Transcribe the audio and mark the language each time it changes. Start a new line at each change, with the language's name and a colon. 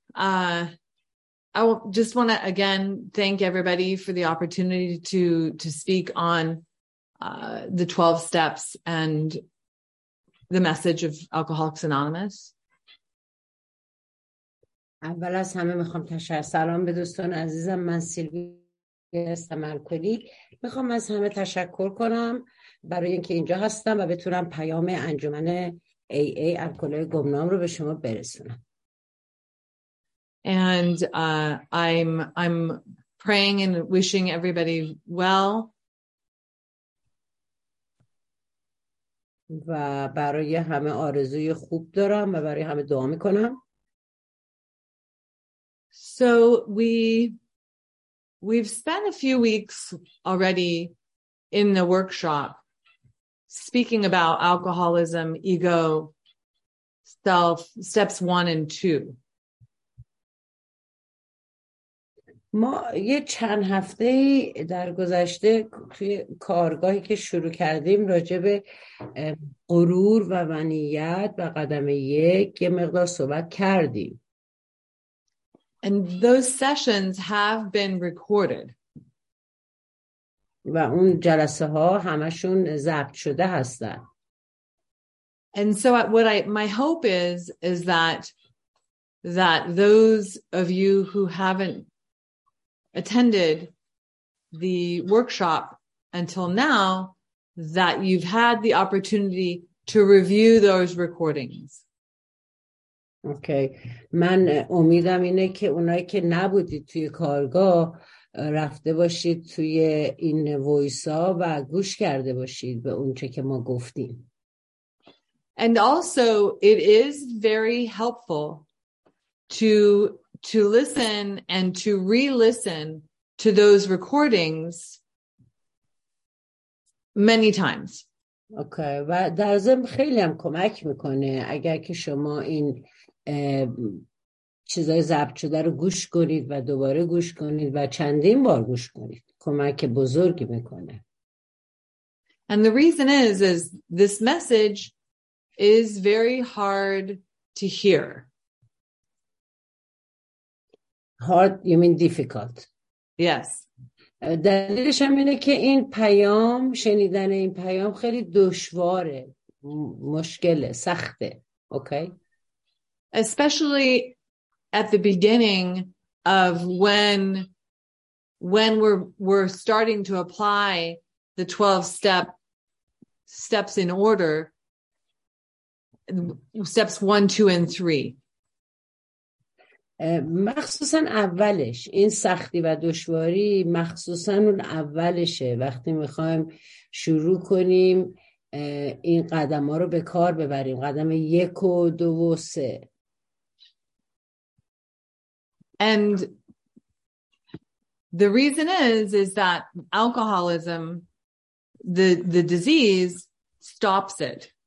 English: I just want to again thank everybody for the opportunity to speak on the 12 steps and the message of Alcoholics Anonymous.
Persian: اول از همه میخوام تشکر، سلام به دوستان عزیزم، من سیلوی هستم، الکلیک. میخوام از همه تشکر کنم برای اینکه اینجا هستم و بتونم پیام انجمن AA الکلی گمنام رو به شما برسونم.
English: And I'm praying and wishing everybody well.
Persian: و برای همه آرزوی خوب دارم و برای همه دعا میکنم.
English: So we've spent a few weeks already in the workshop speaking about alcoholism, ego, self, steps 1 and 2.
Persian: ما یه چند هفته در گذشته توی کارگاهی که شروع کردیم راجع به غرور و منیت و قدم یک یه مقدار صحبت کردیم.
English: And those sessions have been recorded.
Persian: و اون جلسه ها همشون ضبط شده هستن.
English: And so what my hope is that those of you who haven't attended the workshop until now, that you've had the opportunity to review those recordings. Okay.
Persian: من امیدم اینه که اونایی که نبودید توی کارگاه رفته باشید توی این وایسا و گوش کرده باشید به اونچه که ما گفتیم.
English: And also it is very helpful to listen and to re-listen to those recordings many times.
Persian: Okay, و در ضمن خیلی هم کمک میکنه اگر که شما این چیزای ضبط شده رو گوش کنید و دوباره گوش کنید و چندین بار گوش کنید. کمک بزرگی میکنه.
English: And the reason is this message is very hard to hear. Hard, you mean difficult. Yes.
Persian: دلیلش هم اینه که این پیام، شنیدن این پیام خیلی دشواره، مشکله، سخته.
English: Okay. Especially at the beginning of when we're starting to apply the 12 steps in order, steps 1, 2, and 3.
Persian: مخصوصا اولش این سختی و دشواری، مخصوصا اون اولشه وقتی میخوایم شروع کنیم این قدم ها رو به کار ببریم، قدم 1 و 2 و 3.
English: And the reason is that alcoholism, the disease stops it.